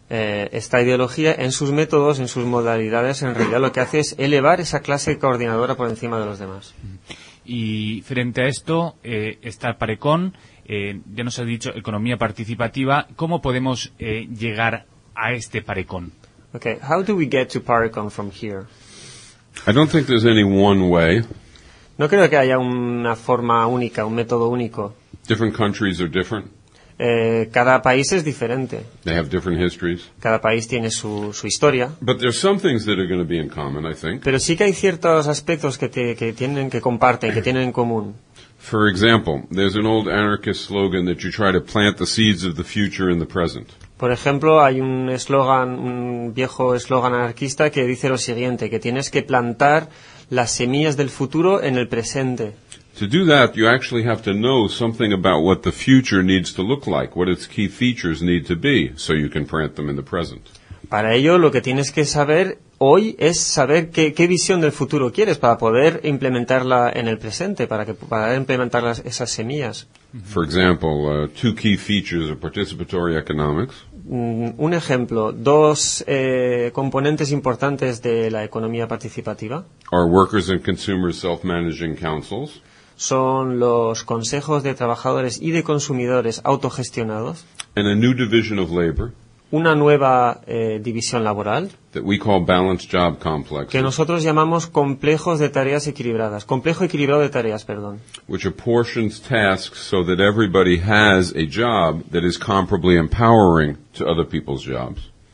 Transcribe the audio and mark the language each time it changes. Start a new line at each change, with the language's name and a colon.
Spanish: Esta ideología en sus métodos, en sus modalidades, en realidad lo que hace es elevar esa clase coordinadora por encima de los demás. Y frente a esto está Parecón, ya nos ha dicho economía participativa. ¿Cómo podemos llegar a este Parecón?
English: Okay, how do we get to Parecón from here? I don't think there's any one way.
Spanish: No creo que haya una forma única, un método único.
English: Different countries are different.
Spanish: Cada país es diferente.
English: They have different histories.
Spanish: Cada país tiene su historia.
English: But there's some things that are going to be in common, I think.
Spanish: Pero sí que hay ciertos aspectos que tienen en común.
English: For example, there's an old anarchist slogan that you try to plant the seeds of the future in the present.
Spanish: Por ejemplo, hay un viejo eslogan anarquista que dice lo siguiente, que tienes que plantar las semillas del futuro en el presente.
English: To do that, you actually have to know something about what the future needs to look like, what its key features need to be, so you can plant them in the present.
Spanish: Para ello, lo que tienes que saber hoy es saber qué visión del futuro quieres para poder implementarla en el presente, para implementar esas semillas.
English: For example, two key features of participatory economics.
Spanish: Un ejemplo, dos componentes importantes de la economía participativa.
English: Are workers and consumers self-managing councils.
Spanish: Son los consejos de trabajadores y de consumidores autogestionados.
English: And a new division of labor.
Spanish: Una nueva división laboral
English: that we call balanced job complexes,
Spanish: que nosotros llamamos complejos de tareas equilibradas, complejo equilibrado de tareas, perdón,
English: which apportions tasks so that everybody has a job that is comparably empowering to other people's jobs,